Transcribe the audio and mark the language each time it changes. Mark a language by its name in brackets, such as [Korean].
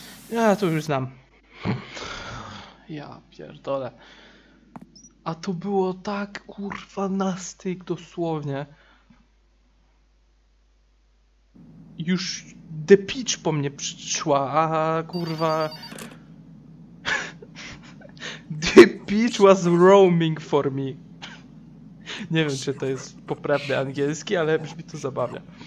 [Polish] Ja to już znam. Ja pierdolę. A to było tak, kurwa, na styk dosłownie. Już [English] the pitch [Polish] po mnie przyszła, a kurwa... [English] The pitch was roaming for me. [Polish] Nie wiem, czy to jest poprawny angielski, ale brzmi to zabawnie.